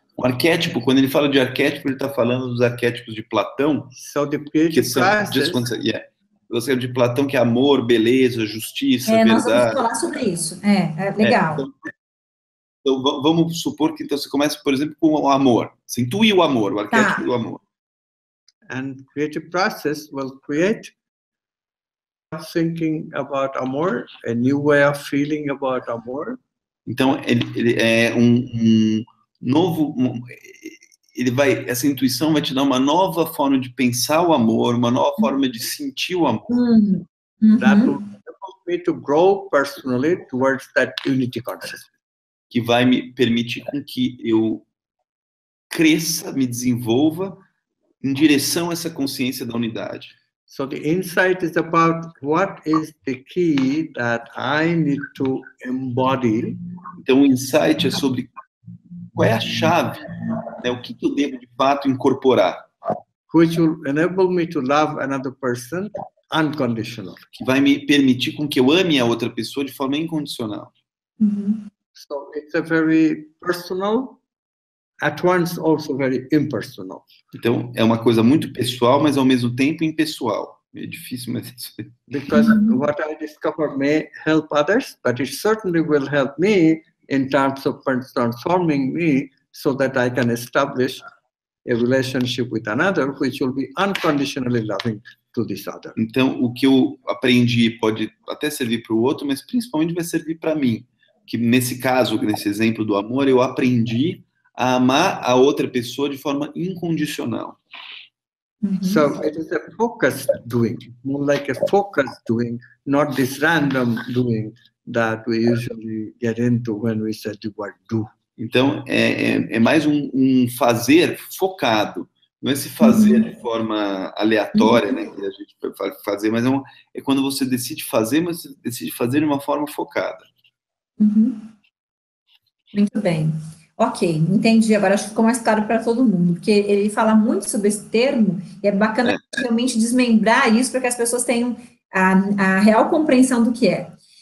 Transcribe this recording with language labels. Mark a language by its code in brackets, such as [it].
[pt] O arquétipo, quando ele fala de arquétipo, ele está falando dos arquétipos de Platão. [en] So the creative process. [pt] Você é de Platão, que é amor, beleza, justiça, verdade. Nós vamos falar sobre isso. Legal. Então, vamos supor que então, você comece, por exemplo, com o amor. Você intui o amor, o arquétipo do amor. [en] And creative process will create thinking about amor, a new way of feeling about amor. [pt] Então, ele é um novo... Ele vai, essa intuição vai te dar uma nova forma de pensar o amor, uma nova forma de sentir o amor. [en] That will help me to grow personally towards that unity consciousness. [pt] Que vai me permitir com que eu cresça, me desenvolva em direção a essa consciência da unidade. [en] So the insight is about what is the key that I need to embody. [pt] Então o insight é sobre qual é a chave, né? O que eu devo de fato incorporar? [en] Which will enable me to love another person unconditionally. [pt] Que vai me permitir com que eu ame a outra pessoa de forma incondicional. [en] So it's a very personal, at once also very impersonal. [pt] Então é uma coisa muito pessoal, mas ao mesmo tempo impessoal. É difícil, mas isso. [en] Because what I discover may help others, but it certainly will help me. In terms of transforming me, so that I can establish a relationship with another, which will be unconditionally loving to this other. [pt] Então, o que eu aprendi pode até servir para o outro, mas principalmente vai servir para mim. Que nesse caso, nesse exemplo do amor, eu aprendi a amar a outra pessoa de forma incondicional. [en] So it is a focused doing, more like a focused doing, not this random doing that we usually get into when we say the word do. [pt] Então, é mais um fazer focado. Não é se fazer de forma aleatória, né, que a gente vai fazer, mas é quando você decide fazer, mas você decide fazer de uma forma focada. Muito bem. Ok, entendi. Agora acho que ficou mais claro para todo mundo, porque ele fala muito sobre esse termo, e é bacana realmente desmembrar isso para que as pessoas tenham a real compreensão do que é.